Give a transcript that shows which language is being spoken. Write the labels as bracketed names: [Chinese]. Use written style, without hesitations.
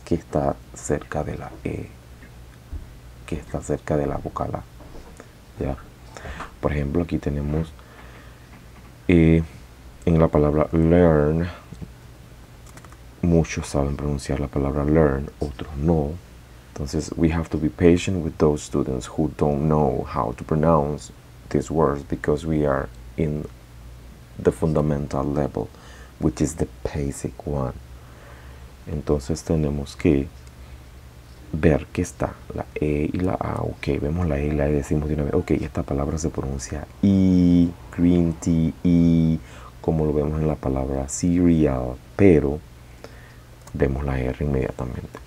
[Spanish] ¿Qué está cerca de la e? ¿Qué está cerca de la vocal a? ¿Ya? Por ejemplo, aquí tenemos en la palabra learn. Muchos saben pronunciar la palabra learn, otros no. Entonces, [English] we have to be patient with those students who don't know how to pronounce these words because we are in the fundamental level, which is the basic one. [Spanish] Entonces, tenemos que ver qué está la E y la A. Ok, vemos la E y la E, decimos de una vez, ok, esta palabra se pronuncia E, [English] green tea, [Spanish] E, como lo vemos en la palabra cereal, pero vemos la R inmediatamente.